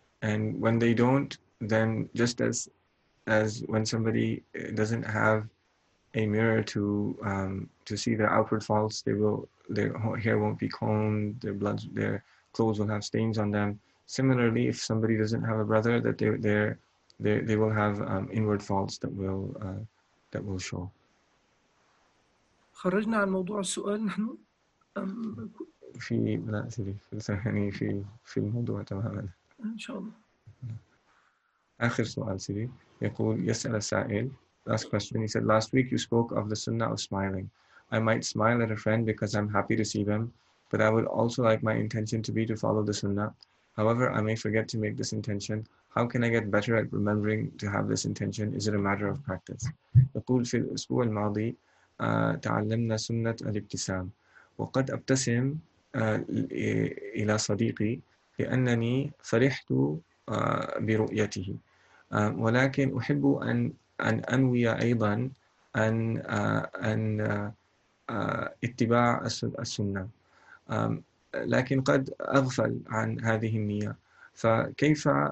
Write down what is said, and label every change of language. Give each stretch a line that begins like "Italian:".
English: And when they don't, then just as when somebody doesn't have a mirror to see their outward faults, they will, their hair won't be combed, their clothes will have stains on them. Similarly, if somebody doesn't have a brother, that they will have inward faults that will show.
Arabic: خرجنا عن موضوع السؤال نحن في لا سيدي في ثاني في الموضوع تماما ان شاء الله. آخر سؤال سيدي يقول يسأل السائل
English: last question, he said last week you spoke of the sunnah of smiling. I might smile at a friend because I'm happy to see them, but I would also like my intention to be to follow the sunnah. However, I may forget to make this intention. How can I get better at remembering to have this intention? Is it a matter of practice?
Arabic: يقول في الأسبوع الماضي تعلمنا سنة الابتسام وقد أبتسم إلى صديقي لأنني فرحت برؤيته ولكن أحب أن أنوي أيضا أن اتباع السنة لكن قد أغفل عن هذه النية فكيف